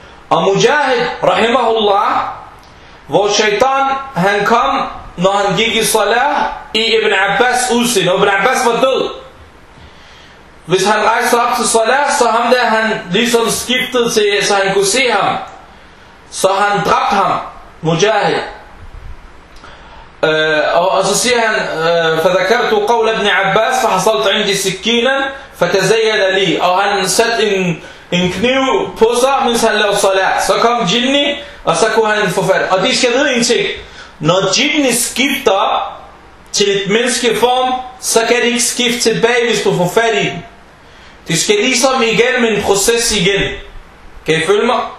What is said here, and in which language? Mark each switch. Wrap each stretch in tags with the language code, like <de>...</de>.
<da>Og Mujahid, rahimahullah, hvor shaitan, han kom, når han gik i salat i Ibn Abbas udseende. Ibn Abbas var død. Hvis han rejste op til salat, så ham der han ligesom skiftet til, så han kunne se ham. Så han dræbte ham, Mujahid. Og så siger han,</da> <ar>فَذَكَرْتُ قَوْلَ Ibn Abbas, فَحَصَلْتُ عِنْدِ سِكِّينًا فَتَزَيَّنَ لِي.</ar> <da>Og han satte en kniv på sig, mens han lavede salat. Så kom jinni, og så kunne han få fat. Og de skal vide en ting. Når jinni skifter til et menneskeform, så kan det ikke skifte tilbage, hvis du får fat i den. Det skal ligesom igennem en proces igen. Kan I følge mig?</da>